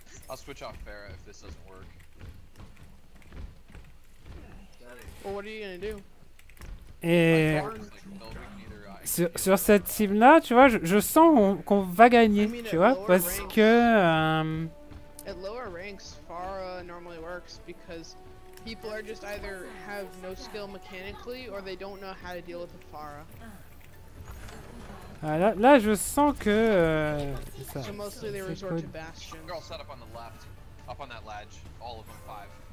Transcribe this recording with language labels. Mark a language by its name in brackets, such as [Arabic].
[English] I'll switch off Farrah if this doesn't work. Well, what are you gonna do? [French] Et sur cette cible là, tu vois, je sens qu'on va gagner, tu vois, parce que [English] at lower ranks, Pharah normally works because people are just either have no skill mechanically or they don't know how to deal with the Pharah. [French] Ah, là, je sens que ça, [English] so mostly they resort cool. to Bastion. They're all set up on the left, up on that ledge, all of them five.